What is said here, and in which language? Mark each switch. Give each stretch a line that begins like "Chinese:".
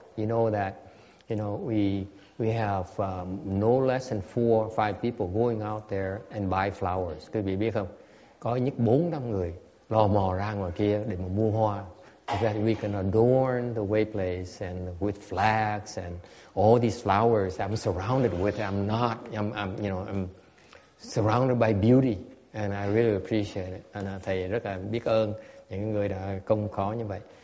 English: You know that, you know, we have no less than 4 or 5 people going out there and buy flowers.
Vietnamese: Quý vị biết không? Có nhất 4-5 người lò mò ra ngoài kia để mà mua hoa.
English: So that we can adorn the way place and with flags and all these flowers I'm surrounded with. I'm surrounded by beauty and I really appreciate it.
Vietnamese: And thầy rất là biết ơn những người đã công khó như vậy.